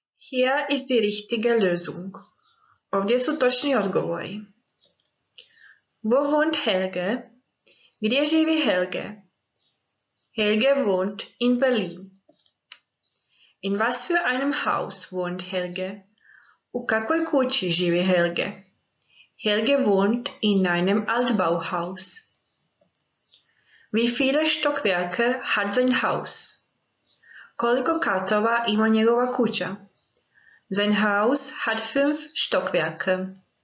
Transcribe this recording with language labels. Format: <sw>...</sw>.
<de>Hier ist die richtige Lösung.</de> <hr>Ovdje su točni odgovori.</hr> <de>Wo wohnt Helge?</de> <hr>Gdje živi Helge?</hr> <de>Helge wohnt in Berlin. In was für einem Haus wohnt Helge?</de> <hr>U kakvoj kući živi Helge?</hr> <de>Helge wohnt in einem Altbauhaus. Wie viele Stockwerke hat sein Haus?</de> <hr>Koliko katova ima njegova kuća?</hr> <de>Sein Haus hat 5 Stockwerke.</de>